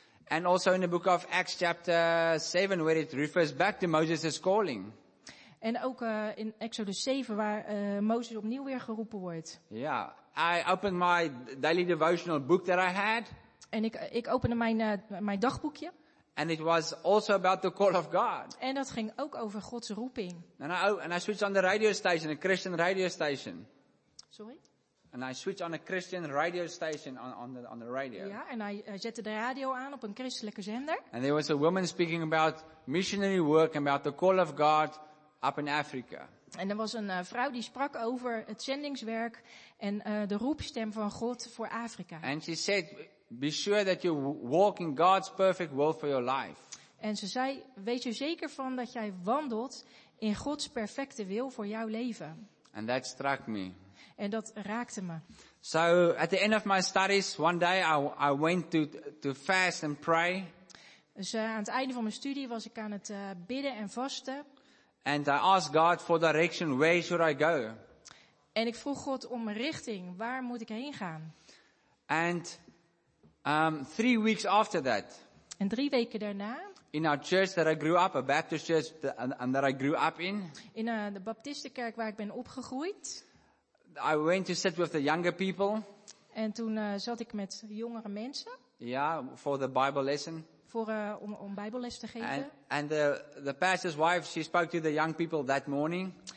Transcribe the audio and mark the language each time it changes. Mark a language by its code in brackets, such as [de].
[en] And also in the book of Acts chapter 7 where it refers back to Moses' calling. [nl] En ook in Exodus 7 waar Mozes opnieuw weer geroepen wordt. Ja, yeah. [en] I opened my daily devotional book that I had. [nl] En ik opende mijn dagboekje. [en] And it was also about the call of God. [nl] En dat ging ook over Gods roeping. [en] And I switched on the radio station, a Christian radio station. Sorry? And I switched on a Christian radio station on the radio. [nl] Ja, en hij zette de radio aan op een christelijke zender. [en] And there was a woman speaking about missionary work and about the call of God up in Africa. [nl] En er was een vrouw die sprak over het zendingswerk en de roepstem van God voor Afrika. [en] And she said, be sure that you walk in God's perfect will for your life. [nl] En ze zei, wees er zeker van dat jij wandelt in Gods perfecte wil voor jouw leven. [en] And that struck me. [nl] En dat raakte me. [en] So at the end of my studies, one day I went to fast and pray. [nl] Dus aan het einde van mijn studie was ik aan het bidden en vasten. [en] And I asked God for direction, where should I go? [nl] En ik vroeg God om een richting, waar moet ik heen gaan? [en] And 3 weeks after that. [nl] En 3 weken daarna. [en] In our church that I grew up, a Baptist church that I grew up in. [nl] In de Baptistenkerk waar ik ben opgegroeid. [en] I went to sit with the younger people. [nl] En toen zat ik met jongere mensen. [en] Ja, yeah, for the Bible lesson. [nl] Voor om Bijbelles te geven. [en] And the pastor's wife, she spoke to the young people that morning.